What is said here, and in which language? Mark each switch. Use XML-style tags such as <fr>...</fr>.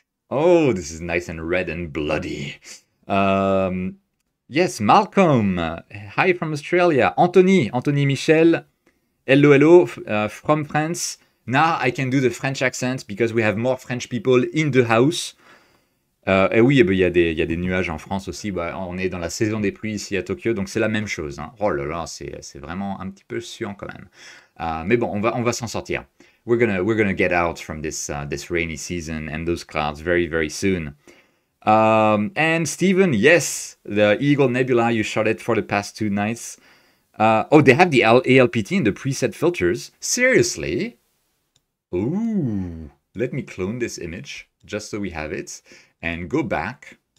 <en>Oh, this is nice and red and bloody. Yes, Malcolm. Hi from Australia. Anthony Michel. Hello, hello from France. Now I can do the French accent because we have more French people in the house.</en> <fr>Eh oui, il y a des nuages en France aussi. Bah, on est dans la saison des pluies ici à Tokyo, donc c'est la même chose. Hein. Oh là là, c'est vraiment un petit peu suant quand même. Mais bon, on va s'en sortir.</fr> <en>We're gonna get out from this rainy season and those clouds very, very soon. And Steven, yes, the Eagle Nebula you shot it for the past two nights. Oh, they have the ALPT in the preset filters. Seriously? Ooh, let me clone this image just so we have it. And go back.</en>